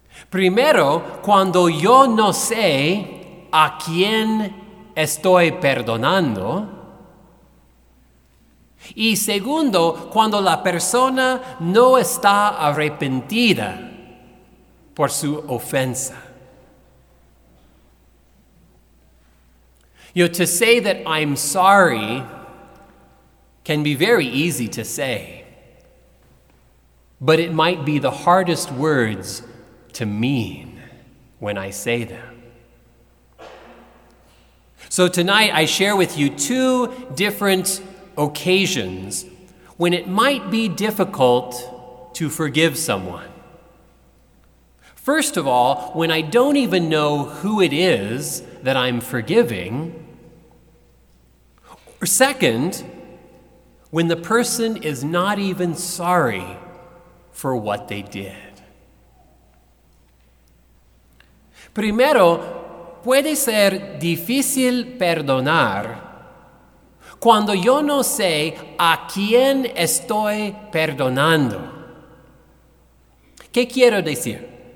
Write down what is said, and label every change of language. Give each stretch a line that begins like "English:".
Spanish: Primero, cuando yo no sé a quién estoy perdonando. Y segundo, cuando la persona no está arrepentida por su ofensa.
English: You know, to say that I'm sorry can be very easy to say, but it might be the hardest words to mean when I say them. So tonight I share with you two different occasions when it might be difficult to forgive someone. First of all, when I don't even know who it is that I'm forgiving. Or second, when the person is not even sorry for what they did.
Spanish: Primero, puede ser difícil perdonar cuando yo no sé a quién estoy perdonando. ¿Qué quiero decir?